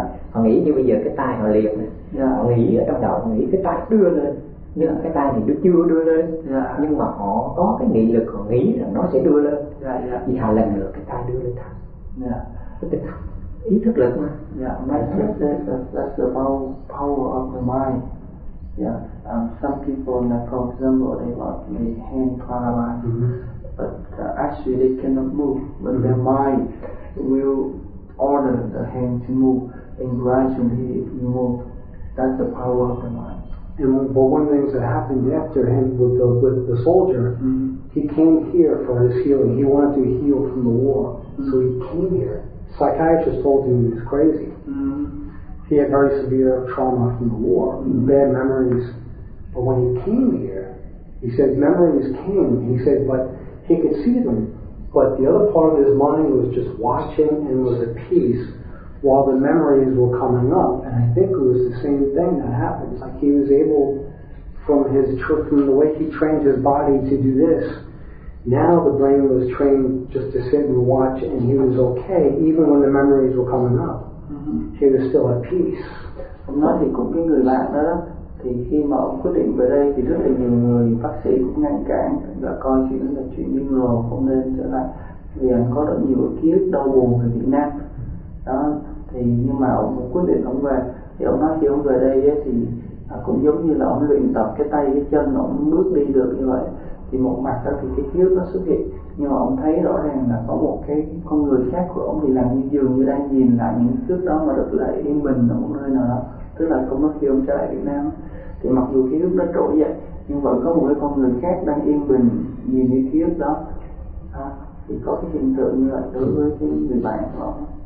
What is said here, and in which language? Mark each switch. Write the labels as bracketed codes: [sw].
[vi] Họ nghĩ như bây giờ cái tay họ liệt này, họ nghĩ ở trong đầu họ nghĩ cái tay đưa lên, nhưng cái tay thì nó chưa đưa lên, nhưng mà họ có cái nghị lực, họ nghĩ là nó sẽ đưa lên, vì họ lần nữa cái tay đưa lên thẳng, ý thức lực mà. [en] That's the power of the mind. Some people like for example they got the hand paralyzed. But actually they cannot move, but their mind will order the hand to move, and gradually it will move. That's the power of the mind. And one of the things that happened after him with the soldier, he came here for his healing. He wanted to heal from the war, so he came here. Psychiatrist told him he was crazy. He had very severe trauma from the war, bad memories. But when he came here, he said memories came. He said, but he could see them, but the other part of his mind was just watching and was at peace while the memories were coming up. And I think it was the same thing that happened. It's like he was able, from the way he trained his body to do this, now the brain was trained just to sit and watch, and he was okay even when the memories were coming up. He was still at peace. [vi] Nói thì cũng cái người bạn đó, thì thì khi mà ông quyết định về đây thì rất là nhiều người bác sĩ cũng ngăn cản và coi chuyện là chuyện nghi ngờ, không nên trở lại vì anh có rất nhiều ký ức đau buồn về Việt Nam đó. Thì nhưng mà ông quyết định ông về thì ông nói khi ông về đây ấy, thì cũng giống như là ông luyện tập cái tay cái chân ông bước đi được như vậy, thì một mặt đó thì cái ký ức nó xuất hiện, nhưng mà ông thấy rõ ràng là có một cái con người khác của ông thì làm như dường như đang nhìn lại những ký ức đó mà rất là yên bình ở một nơi nào đó, tức là không có khi ông trở lại Việt Nam thì mặc dù ký ức nó trỗi dậy nhưng vẫn có một cái con người khác đang yên bình nhìn những ký ức đó à, thì có cái hiện tượng như vậy đối với cái người bạn của ông.